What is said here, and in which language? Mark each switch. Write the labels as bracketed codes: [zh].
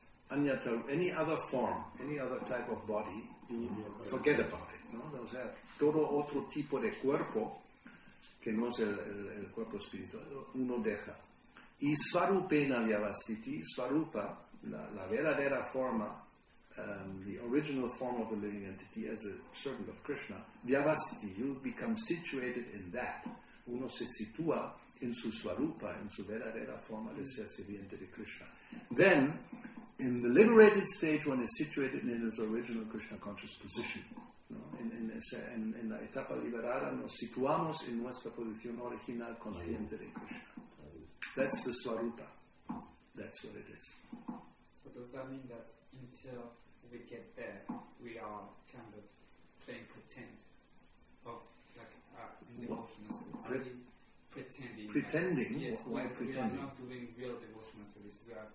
[en] Anyata, any other form, any other type of body, you forget about it. No? [es] O sea, todo otro tipo de cuerpo que no es el cuerpo espiritual, uno deja. Y svarupena vyavasthiti, svarupa, la verdadera forma. [en] The original form of the living entity as a servant of Krishna, vyavasthiti, you become situated in that. [es] Uno se sitúa en su svarupa, en su verdadera forma de ser sirviente de Krishna. [en] Then, in the liberated stage, one is situated in its original Krishna conscious position. No? [es] En la etapa liberada, nos situamos en nuestra posición original consciente de Krishna. [en] That's the svarupa. That's what it is. So does that mean that until we get there, we are kind of playing pretend of like devotional service? Are we pretending? Pretending? Like, yes, why pretending? We are not doing real devotional service. We are